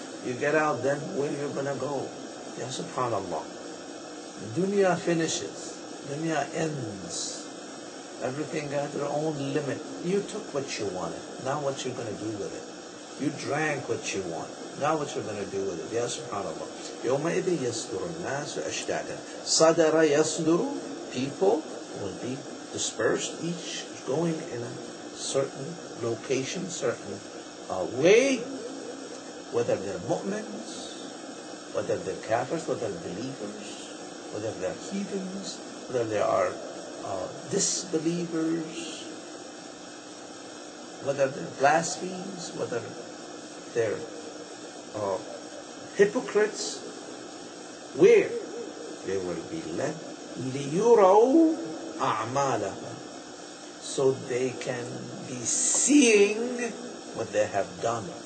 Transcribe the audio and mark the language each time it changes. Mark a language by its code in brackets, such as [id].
[en] You get out, then where are you going to go? Yes, subhanAllah. Dunya finishes. Dunya ends. Everything has their own limit. You took what you wanted. Now what you going to do with it? You drank what you wanted. Now what you're going to do with it? Yes, subhanAllah. [ar] يومئذ يصدر الناس أشتاتا. صدر يصدر. [en] People will be dispersed, each going in a certain location, certain way. Whether they're mu'mins, whether they're kafirs, whether they're believers, whether they're heathens, whether they are disbelievers, whether they're blasphemes, whether they're hypocrites, where they will be led, [ar] لِيُرَوْا أَعْمَالَهُ, [en] so they can be seeing what they have done.